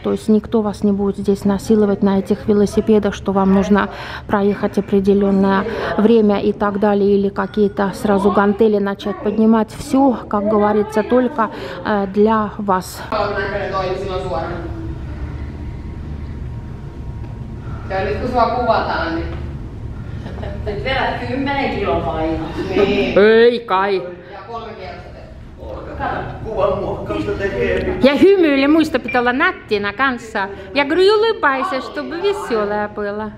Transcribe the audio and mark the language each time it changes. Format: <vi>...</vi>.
<ru>То есть никто вас не будет здесь насиловать на этих велосипедах, что вам нужно проехать определенное время и так далее, или какие-то сразу гантели начать поднимать. Все, как говорится, только для вас.</ru> <fi>Ja nyt kun sua kuvataan, niin... Nyt vielä 10 kiloa painaa. Niin. Ei kai. Ja 3 kertaa. Kuva muokkausta tekee. Ja hymyile, muista pitää olla nättinä kanssa.</fi> <ru>Ja gryuli paise, чтобы веселая была.</ru>